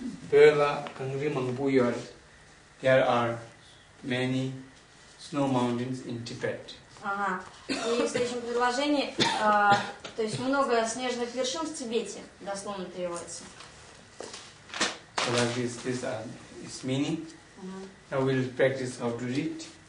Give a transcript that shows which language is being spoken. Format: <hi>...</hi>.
<bo>Bela Gangri Mangbuyol,</bo> <en>there are many snow mountains in Tibet.</en> <ru>И в следующем предложении, то есть много снежных вершин в Тибете, дословно переводится.</ru> <en>So like this, this is meaning. Now we'll practice how to read.</en>